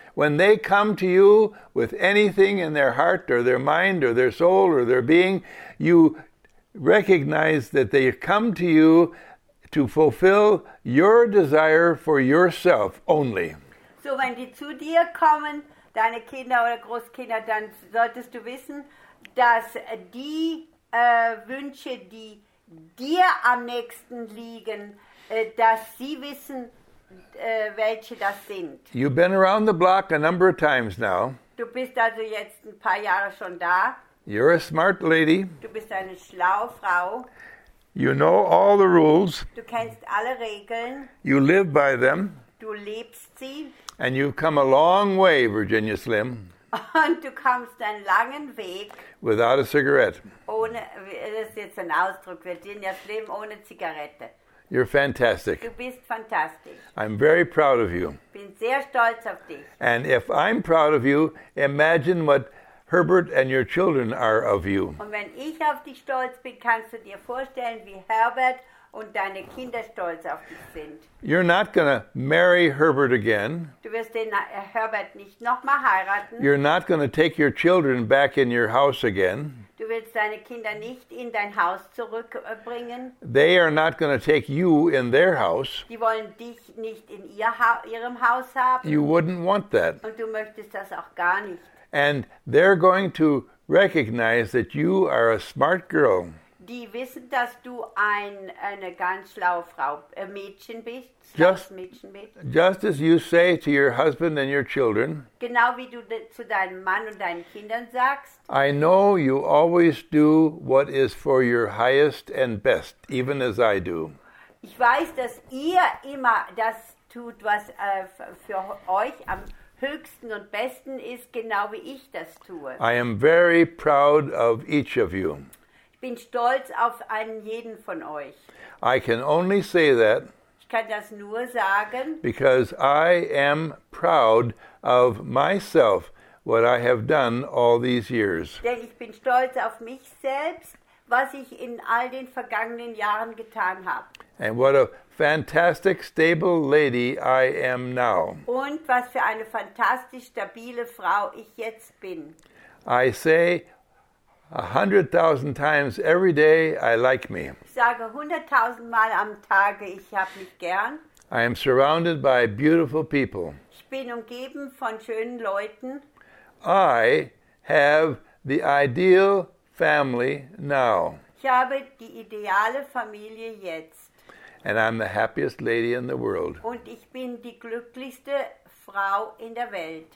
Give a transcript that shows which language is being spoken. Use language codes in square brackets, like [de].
[en] When they come to you with anything in their heart or their mind or their soul or their being, you recognize that they come to you to fulfill your desire for yourself only. [de] So wenn die zu dir kommen, deine Kinder oder Großkinder, dann solltest du wissen, dass die Wünsche, die dir am nächsten liegen, dass sie wissen, welche das sind. [en] You've been around the block a number of times now. [de] Du bist also jetzt ein paar Jahre schon da. [en] You're a smart lady. [de] Du bist eine schlaue Frau. [en] You know all the rules. [de] Du kennst alle Regeln. [en] You live by them. [de] Du lebst sie. [en] And you've come a long way, Virginia Slim. [de] Und du kommst einen langen Weg. [en] Without a cigarette. [de] Ohne, das ist jetzt ein Ausdruck, Virginia Slim, ohne Zigarette. [en] You're fantastic. [de] Du bist fantastisch. [en] I'm very proud of you. [de] Bin sehr stolz auf dich. [en] And if I'm proud of you, imagine what Herbert and your children are of you. [de] Und wenn ich auf dich stolz bin, kannst du dir vorstellen, wie Herbert und deine Kinder stolz auf dich sind. [en] You're not going to marry Herbert again. [de] Du wirst den Herbert nicht noch mal heiraten. [en] You're not going to take your children back in your house again. [de] Du willst deine Kinder nicht in dein Haus zurückbringen. [en] They are not going to take you in their house. [de] Die wollen dich nicht in ihrem Haus haben. [en] You wouldn't want that. [de] Und du möchtest das auch gar nicht. [en] And they're going to recognize that you are a smart girl. [de] Die wissen, dass du eine ganz schlaue Frau, Mädchen bist. [en] Just as you say to your husband and your children. [de] Genau wie du zu deinem Mann und deinen Kindern sagst. [en] I know you always do what is for your highest and best, even as I do. [de] Ich weiß, dass ihr immer das tut, was für euch am höchsten und besten ist, genau wie ich das tue. [en] I am very proud of each of you. [de] Ich bin stolz auf einen jeden von euch. [en] I can only say that. [de] Ich kann das nur sagen. [en] Because I am proud of myself, what I have done all these years. [de] Denn ich bin stolz auf mich selbst, was ich in all den vergangenen Jahren getan habe. [en] And what a fantastic, stable lady I am now. [de] Und was für eine fantastisch stabile Frau ich jetzt bin. [en] I say 100,000 times every day, I like me. [de] Ich sage 100,000 Mal am Tage, ich hab mich gern. [en] I am surrounded by beautiful people. [de] Ich bin umgeben von schönen Leuten. [en] I have the ideal family now. [de] Ich habe die ideale Familie jetzt. [en] And I'm the happiest lady in the world. [de] Und ich bin die glücklichste Frau in der Welt.